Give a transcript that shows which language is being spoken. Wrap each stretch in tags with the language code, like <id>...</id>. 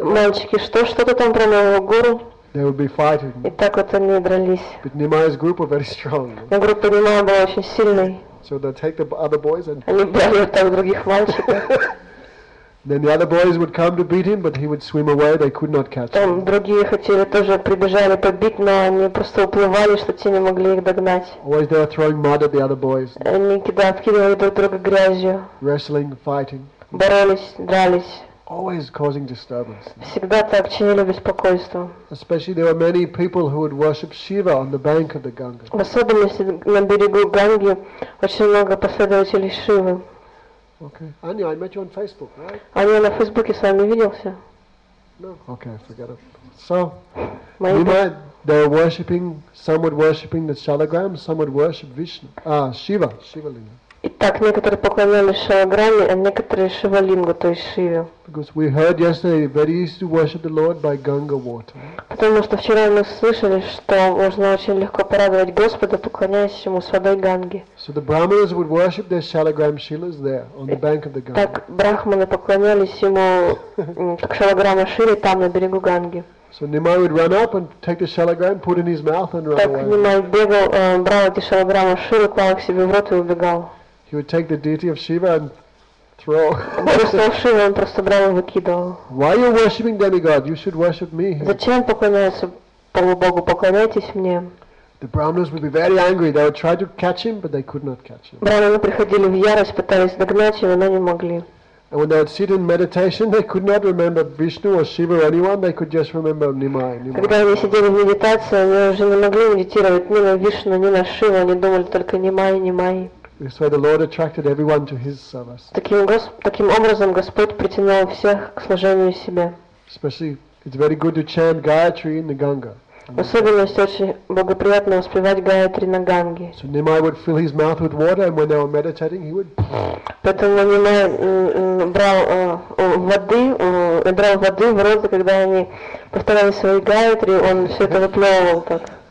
<ru>Мальчики: "Что, что ты там про моего гуру?"</ru> <en>They would be fighting.</en> <ru>И так вот они дрались.</ru> <en>But Nimai's group were very strong.</en> <ru>Но группа Нимая была очень сильной.</ru> <en>So they'd take the other boys and.</en> <ru>Они брали там других мальчиков.</ru> <en>Then the other boys would come to beat him, but he would swim away. They could not catch him.</en> <ru>Там другие хотели тоже прибежали побить, но они просто уплывали, что те не могли их догнать.</ru> <en>Always they were throwing mud at the other boys.</en> <ru>Они кидали друг друга грязью.</ru> <en>Wrestling, fighting.</en> <ru>Боролись, дрались.</ru> <en>Always causing disturbance.</en> <ru>Всегда так чинили беспокойство.</ru> <en>Especially there were many people who would worship Shiva on the bank of the Ganga.</en> <ru>В особенности на берегу Ганги очень много последователей Шивы.</ru> <en>Okay. Anya, I met you on Facebook, right?</en> <ru>Anya, на Фейсбуке с вами виделся.</ru> <en>No. Okay, forget it. So, Nimai, they were worshiping. Some were worshiping the Shalagram. Some would worship Vishnu. Shiva, Shivalinga.</en> <ru>Итак, некоторые поклонялись Шалаграме, а некоторые Шивалингу, то есть Шиве.</ru> <en>Because we heard yesterday, very easy to worship the Lord by Ganga water.</en> <ru>Потому что вчера мы слышали, что можно очень легко порадовать Господа, поклоняясь ему с водой Ганги.</ru> <en>So the Brahmanas would worship their Shalagram Shilas there on the bank of the Ganga.</en> <ru>Так брахманы поклонялись ему как Шалаграма Шиле там на берегу Ганги.</ru> <en>So Nimai would run up and take the Shalagram, put in his mouth and run away.</en> <ru>Так Nimai бегал, брал эти Шалаграмы Шиле, клал их себе в рот и убегал.</ru> <en>He would take the deity of Shiva and throw.</en> <ru>Просто Шива, он просто брал и выкидывал.</ru> <en>Why are you worshiping demigod? You should worship me.</en> <ru>Зачем поклоняться полубогу? Поклоняйтесь мне.</ru> <en>The Brahmanas would be very angry. They would try to catch him, but they could not catch him.</en> <ru>Брахманы приходили в ярость, пытались догнать его, но не могли.</ru> <en>And when they would sit in meditation, they could not remember Vishnu or Shiva or anyone, they could just remember Nimai.</en> <ru>Когда они сидели в медитации, они уже не могли медитировать ни на Вишну, ни на Шиву, они думали только Нимай, Нимай.</ru> <en>This way the Lord attracted everyone to his service.</en> <ru>Таким образом Господь притянул всех к служению себе.</ru> <en>Especially, it's very good to chant Gayatri in the Ganga.</en> <ru>Особенность очень благоприятно воспевать Гаятри на Ганге.</ru> <en>So Nimai would fill his mouth with water, and when they were meditating, he would.</en> <ru>Поэтому Нимай брал воды, брал воды в рот, когда они повторяли свои Гаятри, он все это выплевывал так.</ru>